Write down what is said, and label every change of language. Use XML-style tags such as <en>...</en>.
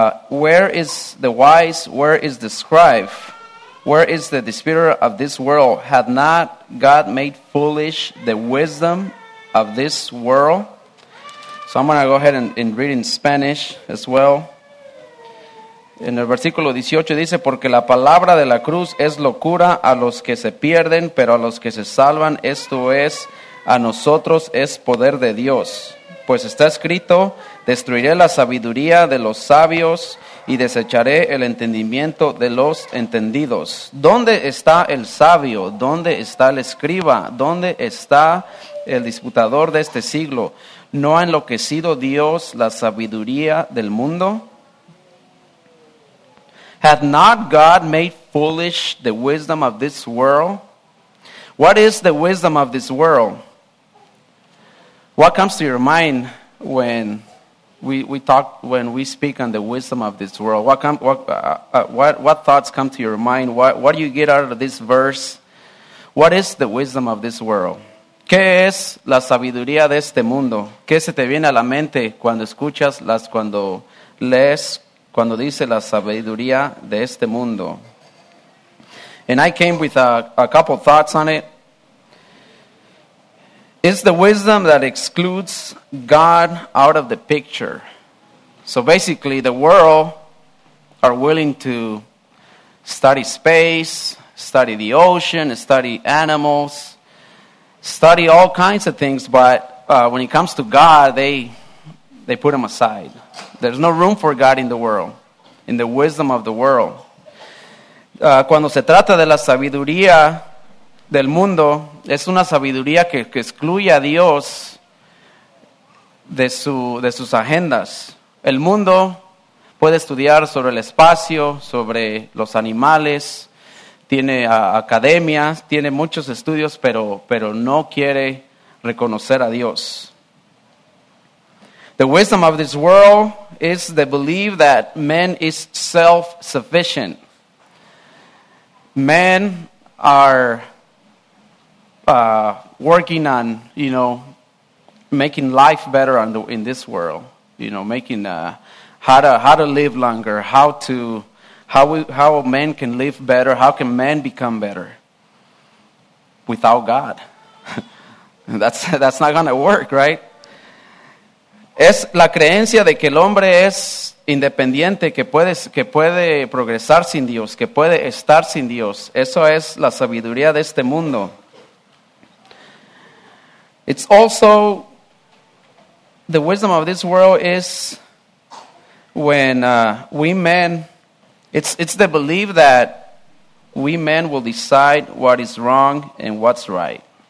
<en>Where is the wise? Where is the scribe? Where is the disputer of this world? Had not God made foolish the wisdom of this world? So I'm going to go ahead and read in Spanish as well.</en> <es>En el versículo 18 dice, porque la palabra de la cruz es locura a los que se pierden, pero a los que se salvan, esto es, a nosotros es poder de Dios. Pues está escrito, destruiré la sabiduría de los sabios y desecharé el entendimiento de los entendidos. ¿Dónde está el sabio? ¿Dónde está el escriba? ¿Dónde está el disputador de este siglo? ¿No ha enloquecido Dios la sabiduría del mundo?</es> <en>Hath not God made foolish the wisdom of this world? What is the wisdom of this world? What comes to your mind when we speak on the wisdom of this world? What thoughts come to your mind? What do you get out of this verse? What is the wisdom of this world?</en> <es>¿Qué es la sabiduría de este mundo? ¿Qué se te viene a la mente cuando escuchas cuando lees? Cuando dice la sabiduría de este mundo.</es> <en>And I came with a couple thoughts on it. It's the wisdom that excludes God out of the picture. So basically the world are willing to study space, study the ocean, study animals, study all kinds of things, but when it comes to God, they put him aside. There's no room for God in the world, in the wisdom of the world.</en> <es>Cuando se trata de la sabiduría del mundo, es una sabiduría que excluye a Dios de sus agendas. El mundo puede estudiar sobre el espacio, sobre los animales, tiene academias, tiene muchos estudios, pero no quiere reconocer a Dios.</es> <en>The wisdom of this world is the belief that man is self-sufficient. Men are working on, you know, making life better in this world. you know, making how to live longer, how men can live better, how can men become better without God. that's not going to work, right?</en> <es>Es la creencia de que el hombre es independiente, que puede progresar sin Dios, que puede estar sin Dios. Eso es la sabiduría de este mundo.</es> <en>It's also, the wisdom of this world is when we men, it's the belief that we men will decide what is wrong and what's right.</en>